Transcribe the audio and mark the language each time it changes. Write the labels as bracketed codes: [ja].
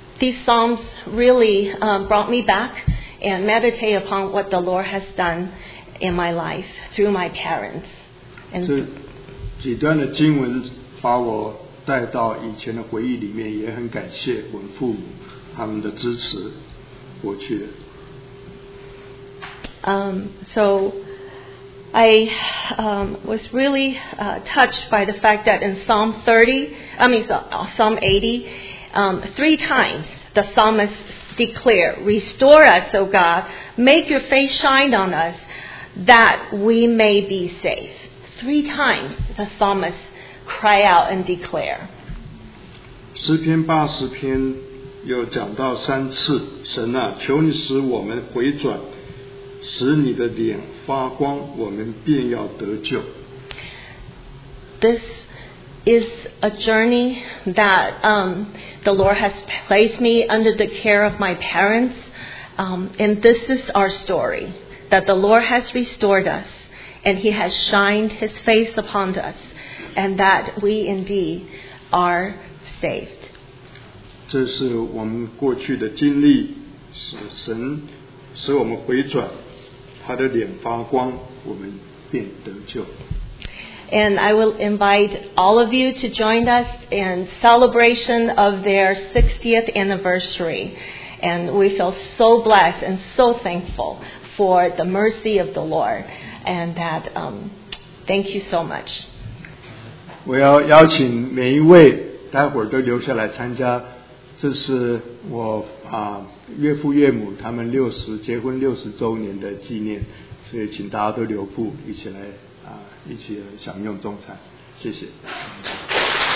[en] These psalms really brought me back and meditate upon what the Lord has done in my life through my parents. And [zh] 这几段的经文把我带到以前的回忆里面，也很感谢我父母他们的支持。过去的。 [en] So I was really touched by the fact that in Psalm 80, three times the psalmist declared, "Restore us, O God, make your face shine on us, that we may be safe." Three times the psalmist cried out and declared. [zh] 诗篇八十篇有讲到三次，神啊，求你使我们回转。使你的脸发光，我们便要得救。 [en] This is a journey that the Lord has placed me under the care of my parents, and this is our story that the Lord has restored us, and He has shined His face upon us, and that we indeed are saved. [zh] 这是我们过去的经历，使神使我们回转。他的脸发光，我们便得救。 [en] And I will invite all of you to join us in celebration of their 60th anniversary. And we feel so blessed and so thankful for the mercy of the Lord. And that, thank you so much. [zh] 我要邀请每一位待会儿都留下来参加。这是我岳父岳母他们60周年的纪念，所以请大家都留步，一起来一起来享用中餐，谢谢。